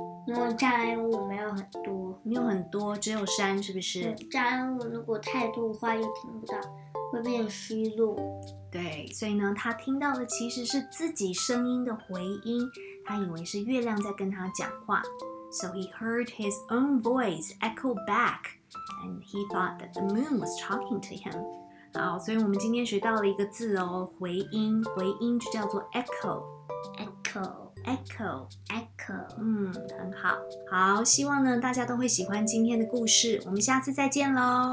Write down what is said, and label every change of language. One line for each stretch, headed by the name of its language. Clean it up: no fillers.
Chinese: 因为障碍物没有很多，没有很多，只有山，是不是？障碍物如果太多的话，又听不到，会变虚弱。对，所以呢，他听到的其实是自己声音的回音，他以为是月亮在跟他讲话。
English: So he heard his own voice echo back, and he thought that the moon was talking to him.
Chinese: 好，所以我们今天学到了一个字哦，回音，回音就叫做 echo。
English: Echo.
Chinese: 嗯，很好。好，希望呢大家都会喜欢今天的故事。我们下次再见咯。